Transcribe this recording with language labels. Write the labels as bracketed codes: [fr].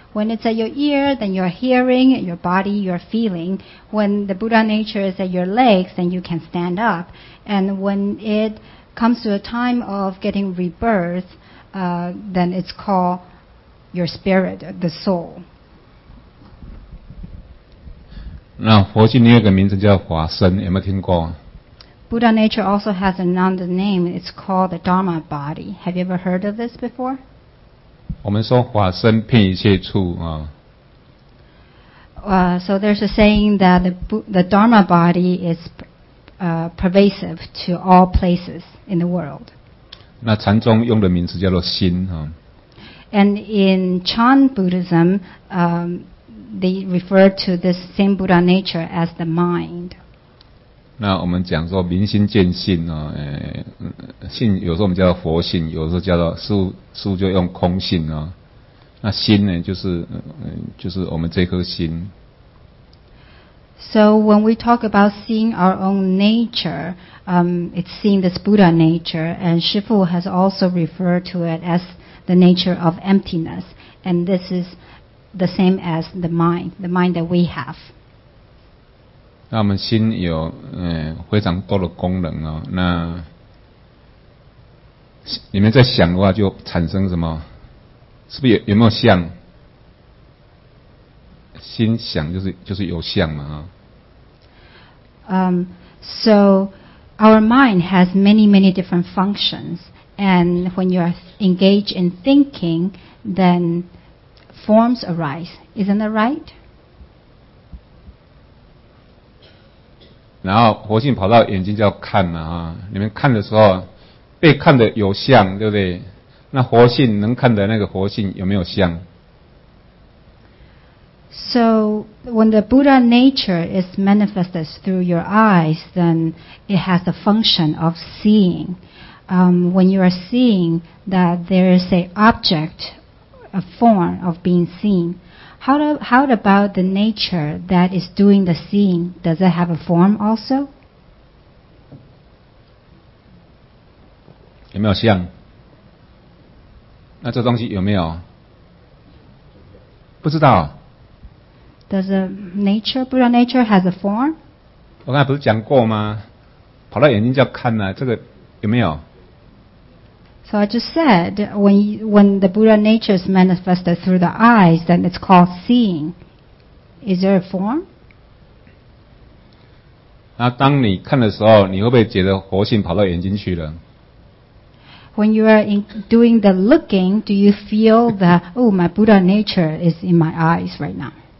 [en] When it's at your ear, then you're hearing, your body, you're feeling. When the Buddha nature is at your legs, then you can stand up. And when it comes to a time of getting rebirth, then it's called your spirit, the soul. [zh] 那佛性另一个名字叫法身，有没有听过？ [en] Buddha nature also has another name. It's called the Dharma body. Have you ever heard of this before? [zh] 我们说法身遍一切处啊。 [en] So there's a saying that the Dharma body is pervasive to all places in the world. [zh] 那禅宗用的名字叫做心啊。 [en] And in Chan Buddhism, they refer to this same Buddha nature as the mind. [zh] 那我们讲说明心见性啊，性有时候我们叫做佛性，有时候叫做似乎就用空性啊。那心呢，就是我们这颗心。 [en] So when we talk about seeing our own nature, it's seeing this Buddha nature, and Shifu has also referred to it as the nature of emptiness, and this is. The same as the mind that we have. [zh] 那我们心有非常多的功能哦。那你们在想的话，就产生什么？是不是有没有相？心想就是有相嘛啊。 [en] So our mind has many many different functions, and when you are engaged in thinking, then. Forms arise, isn't that right? [zh] 然后佛性跑到眼睛叫看嘛啊，你们看的时候，被看的有相，对不对？那佛性能看的那个佛性有没有相 [en] ？So when the Buddha nature is manifested through your eyes, then it has the function of seeing. When you are seeing that there is an object. A form of being seen. How about the nature that is doing the seeing? Does it have a form also? [zh] 有没有像？那这东西有没有？不知道。 [en] Does the nature, Buddha nature, has a form? [zh] 我刚才不是讲过吗？跑到眼睛就要看了，这个有没有？ [en] So I just said, when the Buddha nature is manifested through the eyes, then it's called seeing. Is there a form? [zh] 那当你看的时候，你会不会觉得佛性跑到眼睛去了？ [en] When you are doing the looking, do you feel that, oh, my Buddha nature is in my eyes right now?